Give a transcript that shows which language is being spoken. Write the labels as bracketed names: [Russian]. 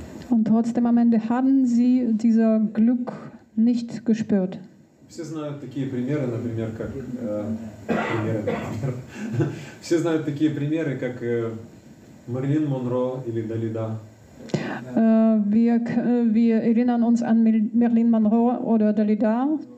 [German] Und trotzdem am Ende haben sie dieser Glück nicht gespürt. [Russian] Все знают такие примеры, как Мэрилин Монро или Далида. [German] Wir erinnern uns an Marilyn Monroe oder Dalida.